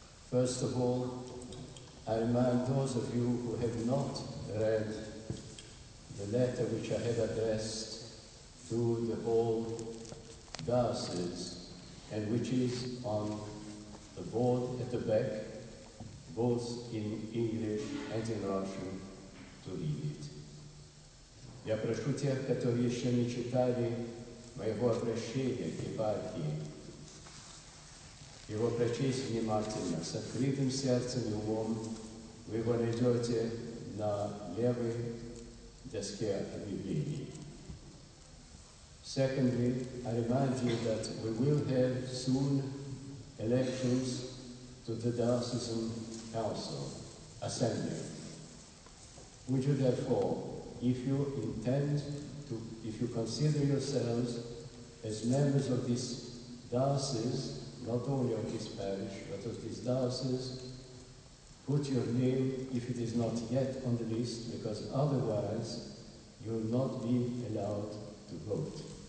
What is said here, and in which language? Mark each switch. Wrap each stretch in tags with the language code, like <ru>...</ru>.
<en>First of all, I remind those of you who have not read the letter which I have addressed to the whole diocese, and which is on the board at the back, both in English and in Russian, to read it.</en> <ru>Я прошу тех, которые еще не читали моего обращения к епархии, его прочесть внимательно, с открытым сердцем и умом. Вы его найдете на левой доске объявлений.</ru> <en>Secondly, I remind you that we will have soon elections to the Diocesan Council Assembly. Would you therefore, if you intend if you consider yourselves as members of this diocese, not only of this parish, but of this diocese, put your name, if it is not yet on the list, because otherwise you will not be allowed to vote.</en>